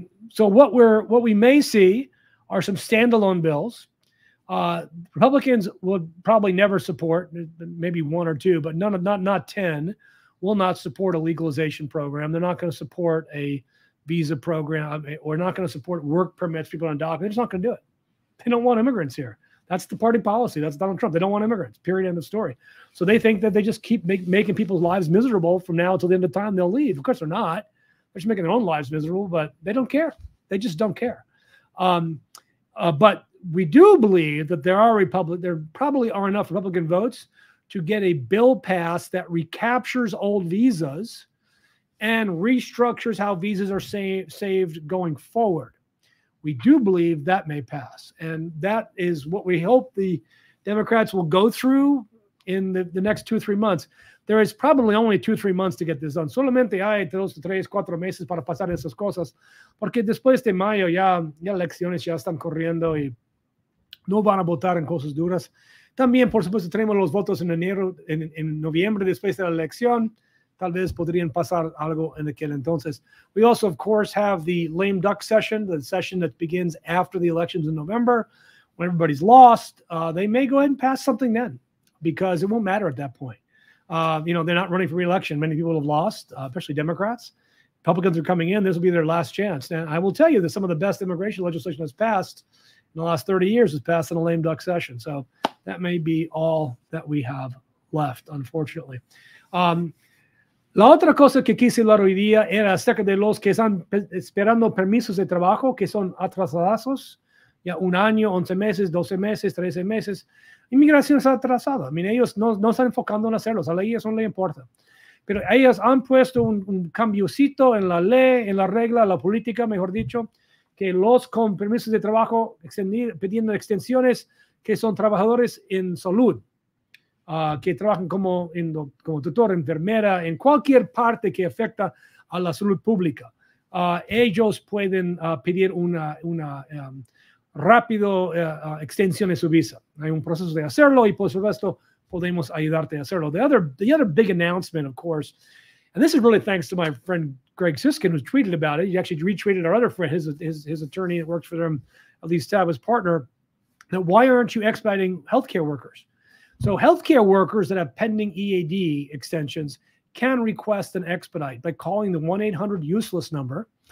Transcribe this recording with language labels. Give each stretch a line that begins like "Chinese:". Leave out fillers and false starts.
English: So what we may see are some standalone bills. Republicans will probably never support, maybe one or two, but not 10, will not support a legalization program. They're not going to support a visa program, we're not going to support work permits, people on undocumented, they're just not going to do it. They don't want immigrants here. That's the party policy. That's Donald Trump. They don't want immigrants, period, end of story. So they think that they just keep making people's lives miserable from now until the end of time, they'll leave. Of course, they're not. They're just making their own lives miserable, but they don't care. They just don't care. But we do believe that there probably are enough Republican votes to get a bill passed that recaptures old visas and restructures how visas are saved going forward. We do believe that may pass. And that is what we hope the Democrats will go through in the next 2 or 3 months. There is probably only 2 or 3 months to get this done.
Spanish: Solamente hay 2, 3, 4 meses para pasar esas cosas. Porque después de mayo ya elecciones ya están corriendo y no van a votar en cosas duras. También, por supuesto, tenemos los votos en enero, en noviembre, después de la elección. Tal vez podrían pasar algo en aquel entonces.
English: We also, of course, have the lame duck session, the session that begins after the elections in November, when everybody's lost. They may go ahead and pass something then, because it won't matter at that point. You know, they're not running for re-election. Many people have lost, especially Democrats. Republicans are coming in. This will be their last chance. And I will tell you that some of the best immigration legislation that's passed in the last 30 years has passed in a lame duck session. So that may be all that we have left, unfortunately.
Spanish: La otra cosa que quise hablar hoy día era acerca de los que están esperando permisos de trabajo que son atrasados. Ya un año, 11 meses, 12 meses, 13 meses. Inmigración está atrasada. I mean, ellos no están enfocando en hacerlo. A la ley eso no le importa. Pero ellos han puesto un cambiocito en la ley, en la regla, la política, mejor dicho, que los con permisos de trabajo pidiendo extensiones que son trabajadores en salud, que trabajan como tutor, enfermera, en cualquier parte que afecta a la salud pública. Ellos pueden pedir una rápida extensión de su visa. Hay un proceso de hacerlo y, por supuesto, podemos ayudarte a hacerlo.
English: The other big announcement, of course, and this is really thanks to my friend Greg Siskin, who tweeted about it. He actually retweeted our other friend, his attorney that works for them, at least Tavis partner, that why aren't you expediting healthcare workers? So healthcare workers that have pending EAD extensions can request an expedite by calling the 1-800 useless number.